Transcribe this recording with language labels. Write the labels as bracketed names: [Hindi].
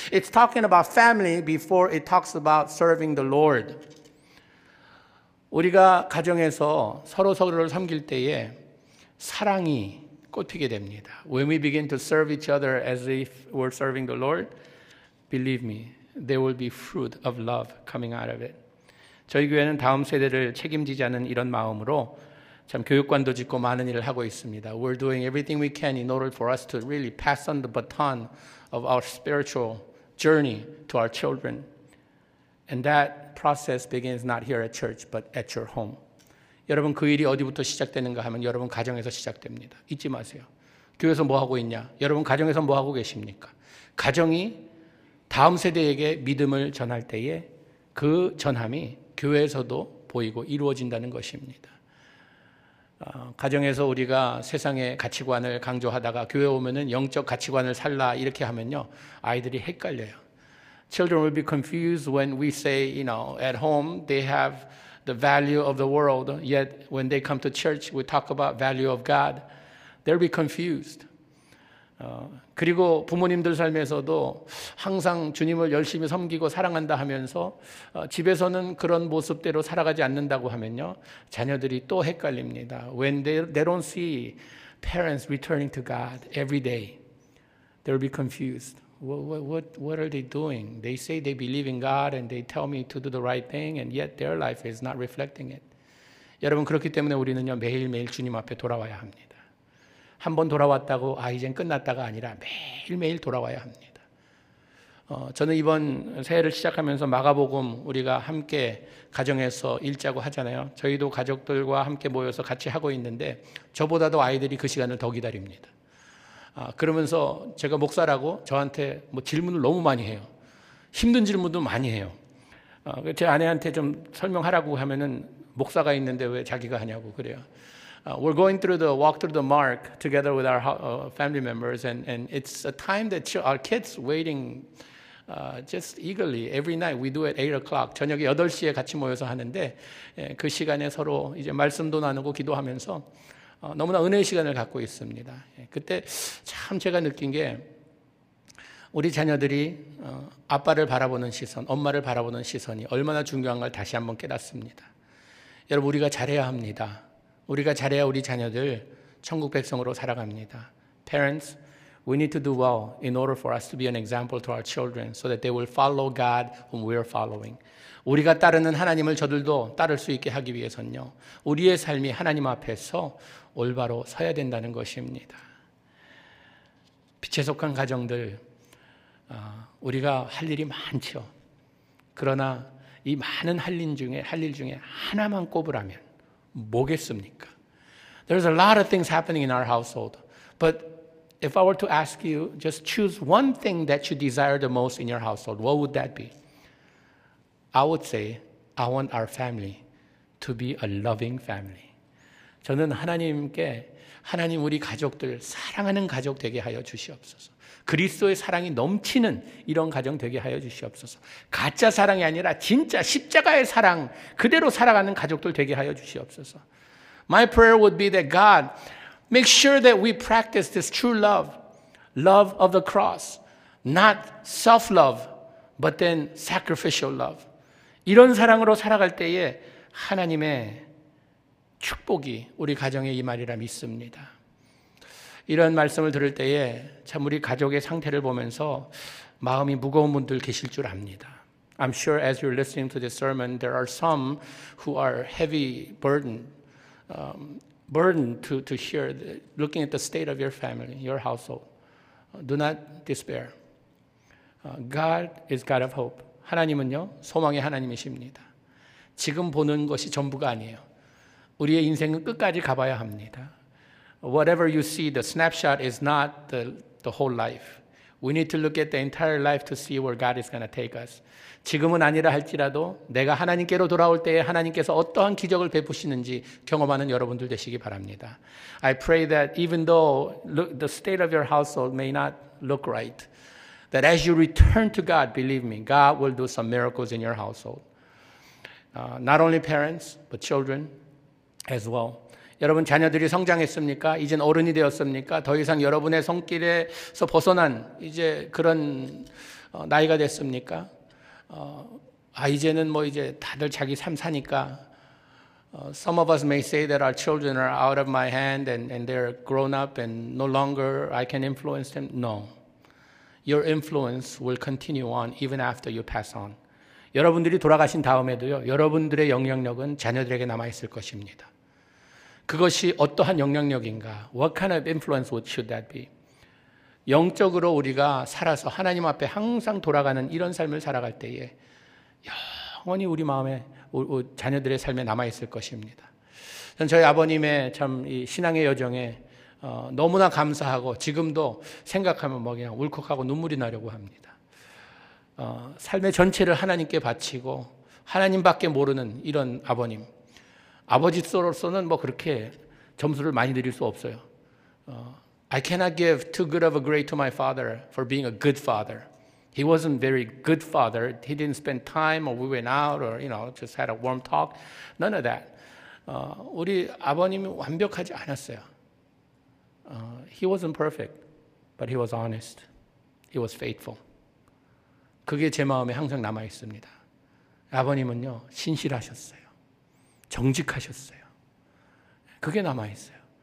[English] It's talking about family before it talks about serving the Lord. [Korean] 우리가 가정에서 서로 서로를 섬길 때에 사랑이 꽃피게 됩니다. [English] When we begin to serve each other as if we're serving the Lord, believe me, there will be fruit of love coming out of it. [Korean] 저희 교회는 다음 세대를 책임지자는 이런 마음으로 참 교육관도 짓고 많은 일을 하고 있습니다. [English] We're doing everything we can in order for us to really pass on the baton of our spiritual journey to our children. And that process begins not here at church, but at your home. [Korean] 여러분 그 일이 어디부터 시작되는가 하면 여러분 가정에서 시작됩니다. 잊지 마세요. 교회에서 뭐 하고 있냐? 여러분 가정에서 뭐 하고 계십니까? 가정이 다음 세대에게 믿음을 전할 때에 그 전함이 교회에서도 보이고 이루어진다는 것입니다. 가정에서 우리가 세상의 가치관을 강조하다가 교회 오면은 영적 가치관을 살라 이렇게 하면요. 아이들이 헷갈려요. [English] Children will be confused when we say, you know, at home they have the value of the world, yet when they come to church we talk about value of God. They'll be confused. [Korean] 그리고 부모님들 삶에서도 항상 주님을 열심히 섬기고 사랑한다 하면서 집에서는 그런 모습대로 살아가지 않는다고 하면요. 자녀들이 또 헷갈립니다. [English] When they don't see parents returning to God every day, they'll be confused. What are they doing? They say they believe in God and they tell me to do the right thing and yet their life is not reflecting it. [Korean] 여러분 그렇기 때문에 우리는요 매일매일 주님 앞에 돌아와야 합니다. 한 번 돌아왔다고 아 이젠 끝났다가 아니라 매일매일 돌아와야 합니다. 저는 이번 새해를 시작하면서 마가복음 우리가 함께 가정에서 읽자고 하잖아요. 저희도 가족들과 함께 모여서 같이 하고 있는데 저보다도 아이들이 그 시간을 더 기다립니다. 그러면서 제가 목사라고 저한테 뭐 질문을 너무 많이 해요. 힘든 질문도 많이 해요. 제 아내한테 좀 설명하라고 하면은 목사가 있는데 왜 자기가 하냐고 그래요. [English] We're going through the walk through the mark together with our family members, and it's a time that our kids waiting just eagerly every night. We do at 8 o'clock. [Korean] 저녁에 8시에 같이 모여서 하는데 예, 그 시간에 서로 이제 말씀도 나누고 기도하면서 너무나 은혜의 시간을 갖고 있습니다. 예, 그때 참 제가 느낀 게 우리 자녀들이 아빠를 바라보는 시선, 엄마를 바라보는 시선이 얼마나 중요한 걸 다시 한번 깨닫습니다. 여러분 우리가 잘해야 합니다. 우리가 잘해야 우리 자녀들 천국 백성으로 살아갑니다. [English] Parents, we need to do well in order for us to be an example to our children so that they will follow God whom we are following. [Korean] 우리가 따르는 하나님을 저들도 따를 수 있게 하기 위해서는요. 우리의 삶이 하나님 앞에서 올바로 서야 된다는 것입니다. 빛에 속한 가정들, 우리가 할 일이 많죠. 그러나 이 많은 할 일 중에 하나만 꼽으라면 뭐겠습니까? [English] There's a lot of things happening in our household. But if I were to ask you, just choose one thing that you desire the most in your household, what would that be? I would say, I want our family to be a loving family. [Korean] 저는 하나님께, 하나님 우리 가족들 사랑하는 가족 되게 하여 주시옵소서. 그리스도의 사랑이 넘치는 이런 가정 되게 하여 주시옵소서. 가짜 사랑이 아니라 진짜 십자가의 사랑 그대로 살아가는 가족들 되게 하여 주시옵소서. [English] My prayer would be that God, make sure that we practice this true love, love of the cross, not self-love, but then sacrificial love. [Korean] 이런 사랑으로 살아갈 때에 하나님의 축복이 우리 가정에 임하리라 믿습니다. 이런 말씀을 들을 때에 참 우리 가족의 상태를 보면서 마음이 무거운 분들 계실 줄 압니다. [English] I'm sure as you're listening to this sermon, there are some who are heavy burden to hear, looking at the state of your family, your household. Do not despair. God is God of hope. [Korean] 하나님은요, 소망의 하나님이십니다. 지금 보는 것이 전부가 아니에요. 우리의 인생은 끝까지 가봐야 합니다. [English] Whatever you see, the snapshot is not the whole life. We need to look at the entire life to see where God is going to take us. [Korean] 지금은 아니라 할지라도 내가 하나님께로 돌아올 때에 하나님께서 어떠한 기적을 베푸시는지 경험하는 여러분들 되시기 바랍니다. [English] I pray that even though the state of your household may not look right, that as you return to God, believe me, God will do some miracles in your household. Not only parents, but children as well. [Korean] 여러분 자녀들이 성장했습니까? 이젠 어른이 되었습니까? 더 이상 여러분의 손길에서 벗어난 이제 그런 나이가 됐습니까? 이제는 뭐 이제 다들 자기 삶 사니까 [English] Some of us may say that our children are out of my hand and they're grown up and no longer I can influence them. No. Your influence will continue on even after you pass on. [Korean] 여러분들이 돌아가신 다음에도요. 여러분들의 영향력은 자녀들에게 남아 있을 것입니다. 그것이 어떠한 영향력인가? [English] What kind of influence should that be? [Korean] 영적으로 우리가 살아서 하나님 앞에 항상 돌아가는 이런 삶을 살아갈 때에 영원히 우리 마음에 자녀들의 삶에 남아 있을 것입니다. 전 저희 아버님의 참 이 신앙의 여정에 너무나 감사하고 지금도 생각하면 뭐 그냥 울컥하고 눈물이 나려고 합니다. 삶의 전체를 하나님께 바치고 하나님밖에 모르는 이런 아버님. 아버지로서는 뭐 그렇게 점수를 많이 드릴 수 없어요. [English] I cannot give too good of a grade to my father for being a good father. He wasn't very good father. He didn't spend time or we went out or you know just had a warm talk. None of that. [Korean] 우리 아버님이 완벽하지 않았어요. [English] He wasn't perfect, but he was honest. He was faithful. [Korean] 그게 제 마음에 항상 남아 있습니다. 아버님은요, 신실하셨어요. 정직하셨어요. 그게 남아있어요.